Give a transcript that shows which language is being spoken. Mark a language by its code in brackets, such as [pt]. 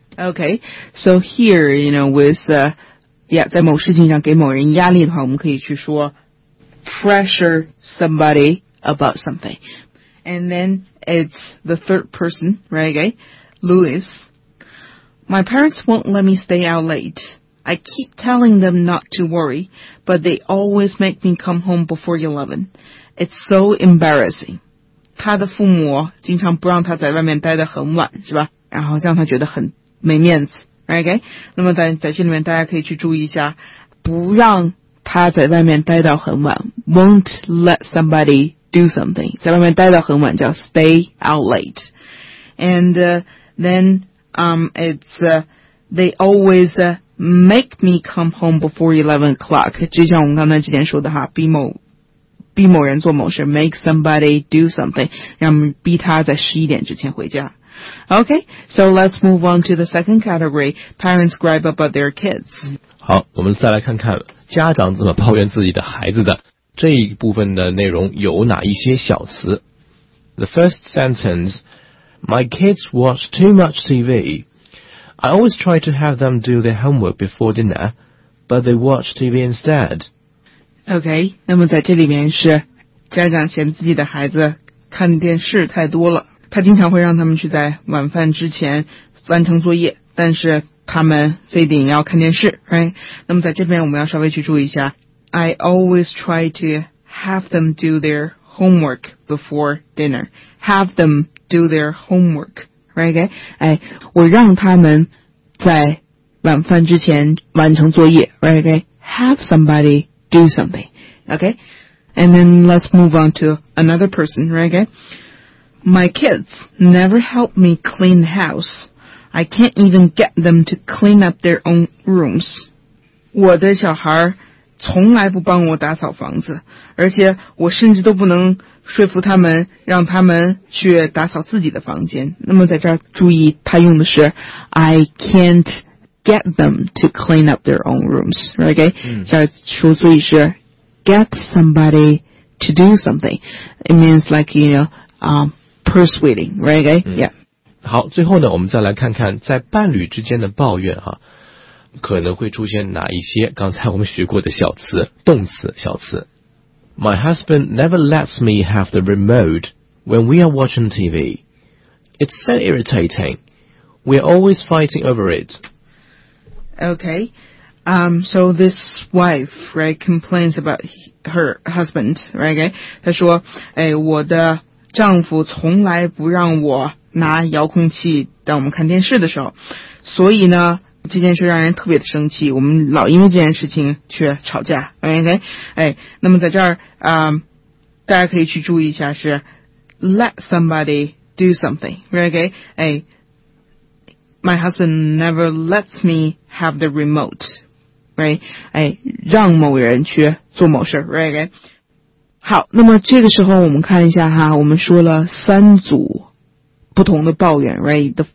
[en] Okay, so here, you know, with, yeah, [zh] 在某事情上给某人压力的话，我们可以去说 [en] pressure somebody. [zh] About something. [en] And then it's the third person, right? Okay? Louis. My parents won't let me stay out late. I keep telling them not to worry, but they always make me come home before 11. It's so embarrassing. [zh] 他的父母经常不让他在外面待得很晚，是吧？然后让他觉得很没面子。 [en] Okay? [zh] 那么 在这里面大家可以去注意一下，不让他在外面待到很晚。 [en] Won't let somebody do something. [zh] 在外面待到很晚叫 [en] stay out late. And they always make me come home before 11 o'clock. [zh] 就像我们刚才之前说的哈，逼某人做某事 , [en] make somebody do something, [zh] 让逼他在11点之前回家。 [en] Okay, so let's move on to the second category, parents gripe about their kids. [zh] 好，我们再来看看家长怎么抱怨自己的孩子的，这一部分的内容有哪一些小词。 [en] The first sentence, my kids watch too much TV. I always try to have them do their homework before dinner, but they watch TV instead. [zh] OK, 那么在这里面是家长嫌自己的孩子看电视太多了，他经常会让他们去在晚饭之前完成作业，但是他们非得要看电视 ,right? 那么在这边我们要稍微去注意一下 , [en] I always try to have them do their homework before dinner. Have them do their homework, right? OK, 哎， [zh] 我让他们在晚饭之前完成作业 [en] ,right? OK, have somebody,do something, okay? And then let's move on to another person, right? Okay? My kids never help me clean the house. I can't even get them to clean up their own rooms. [zh] 我的小孩从来不帮我打扫房子，而且我甚至都不能说服他们让他们去打扫自己的房间。那么在这儿注意他用的是 [en] I can't. Get them to clean up their own rooms, right? Okay? [zh] 所以是 [en] get somebody to do something. It means like, you know, persuading, right? Okay? Yeah. [zh] 好，最后呢，我们再来看看在伴侣之间的抱怨哈，可能会出现哪一些刚才我们学过的小词，动词小词。 [en] My husband never lets me have the remote when we are watching TV. It's so irritating. We are always fighting over it. Okay, so this wife, right, complains about her husband, right, okay? [zh] 她说，哎，我的丈夫从来不让我拿遥控器当我们看电视的时候，所以呢，这件事让人特别的生气，我们老因为这件事情去吵架 ,right, okay? 哎，那么在这儿，大家可以去注意一下是 [en] let somebody do something, [zh] right, okay? [en] 哎，My husband never lets me have the remote, right? [zh] 哎，让某人去做某事 right? 好，那么这个时候我们看一下哈，我们说了三组不同的抱怨 right?